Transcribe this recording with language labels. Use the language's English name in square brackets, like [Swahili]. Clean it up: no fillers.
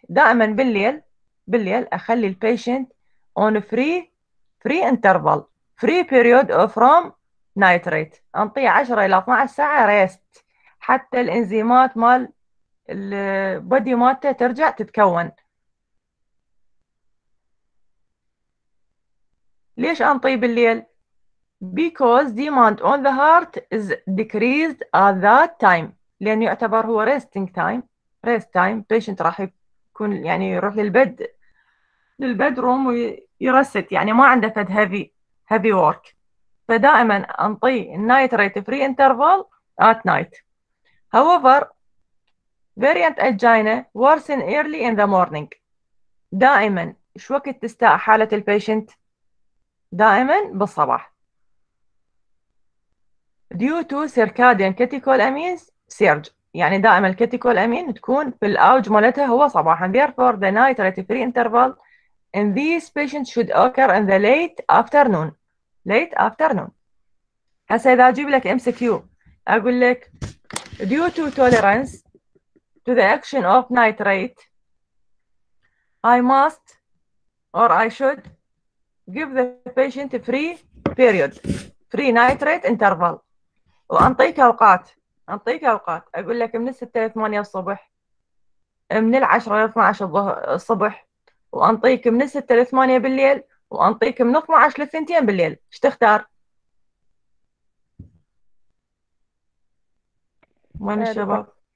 [Arabic] دائما بالليل، بالليل اخلي البيشنت اون فري انترفال، [English] free period from nitrate، [Arabic] انطي 10 الى 12 ساعه ريست حتى الانزيمات مال البودي مالته ترجع تتكون. ليش انطي بالليل؟ [English] because demand on the heart is decreased at that time، [Arabic] لانه يعتبر هو [English] resting time، rest time. [Arabic] patient راح يكون يعني يروح للبد للبدروم ويرست، يعني ما عنده فد هيفي [English] heavy work، [Arabic] فدائما انطي النايتريت فري انترفال ات نايت. [English] however variant angina worsen early in the morning. [Arabic] دائما شو وقت تستاء حاله البيشنت؟ دائما بالصباح [English] due to circadian catecholamines surge، [Arabic] يعني دائما الكاتيكولامين تكون في الاوج مالتها هو صباحا. [English] therefore the nitrate free interval in these patients should occur in the late afternoon. Late afternoon. [Arabic] هسه إذا أجيب لك MCQ أقول لك [English] due to tolerance to the action of nitrate I must or I should give the patient a free period, free nitrate interval. [Arabic] وأنطيك أوقات، أنطيك أوقات، أقول لك من 6-8 الصبح، من 10-12 الصبح، وأنطيك من 6-8 بالليل، وأنطيك من 12-2 بالليل، إيش تختار؟ من الشباب؟